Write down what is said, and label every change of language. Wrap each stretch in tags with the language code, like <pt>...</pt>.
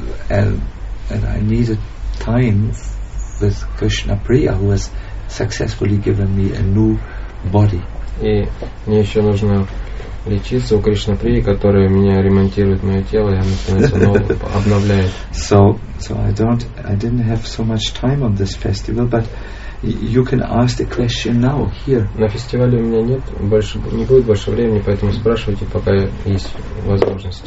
<en>And I needed time with Krishna Priya, who has successfully given me a new body.</en> <ru>И мне еще нужно лечиться у Кришна Прии, которая меня ремонтирует мое тело, и она становится новым, обновляет.</ru> <en>So I didn't have so much time on this festival, but you can ask the question now here.</en> <ru>На фестивале у меня нет больше, не будет больше времени, поэтому спрашивайте, пока есть возможность.</ru>